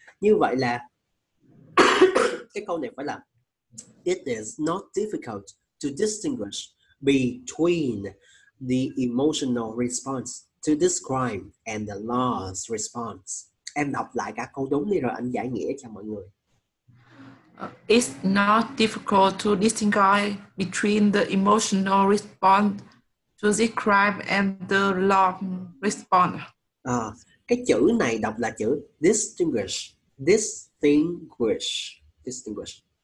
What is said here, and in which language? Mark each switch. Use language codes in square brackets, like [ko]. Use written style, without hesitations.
[vi] Như vậy là cái câu này phải là [en] it is not difficult to distinguish between the emotional response to this crime and the law's response. [vi] Em đọc lại cả câu đúng đi rồi anh giải nghĩa cho mọi người. [en] It's not difficult to distinguish between the emotional response to the crime and the law response. [vi] Cái chữ này đọc là chữ distinguish.